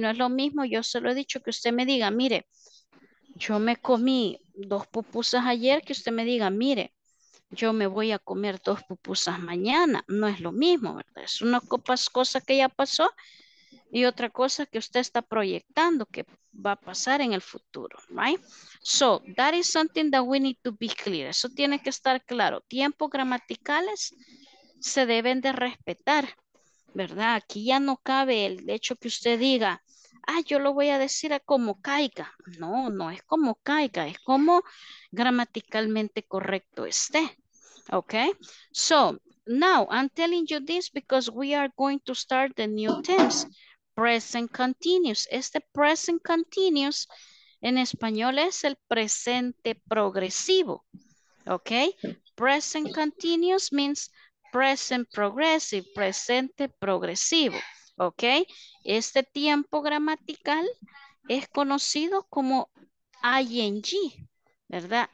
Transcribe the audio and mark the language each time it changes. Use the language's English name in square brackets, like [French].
[Spanish] No es lo mismo, yo se lo he dicho, que usted me diga, mire, yo me comí dos pupusas ayer, que usted me diga, mire, yo me voy a comer dos pupusas mañana. No es lo mismo, ¿verdad? Es una cosa que ya pasó y otra cosa que usted está proyectando que va a pasar en el futuro, [English] right? So, that is something that we need to be clear. [Spanish] Eso tiene que estar claro. Tiempos gramaticales se deben de respetar, ¿verdad? Aquí ya no cabe el hecho que usted diga, ah, yo lo voy a decir a como caiga. No, no es como caiga, es como gramaticalmente correcto esté. [English] Okay? So, now I'm telling you this because we are going to start the new tense, present continuous. [Spanish] Este present continuous en español es el presente progresivo. [English] Okay? Present continuous means present progressive, [Spanish] presente progresivo. [English] ¿Ok? [Spanish] Este tiempo gramatical es conocido como ING, ¿verdad?